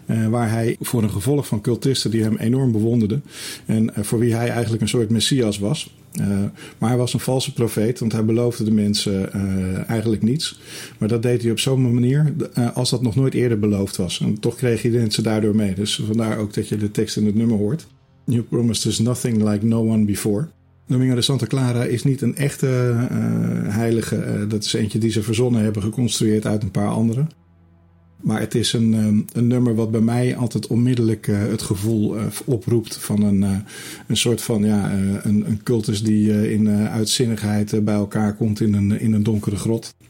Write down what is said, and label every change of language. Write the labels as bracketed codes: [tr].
[nl] Waar hij voor een gevolg van cultisten die hem enorm bewonderden. En voor wie hij eigenlijk een soort messias was. Maar hij was een valse profeet, want hij beloofde de mensen eigenlijk niets. Maar dat deed hij op zo'n manier als dat nog nooit eerder beloofd was. En toch kreeg hij de mensen daardoor mee. Dus vandaar ook dat je de tekst in het nummer hoort. [en] You promised us nothing like no one before. [nl] Domingo de Santa Clara is niet een echte heilige. Dat is eentje die ze verzonnen hebben, geconstrueerd uit een paar andere. Maar het is een nummer wat bij mij altijd onmiddellijk het gevoel oproept van een soort van een cultus die in uitzinnigheid bij elkaar komt in een donkere grot.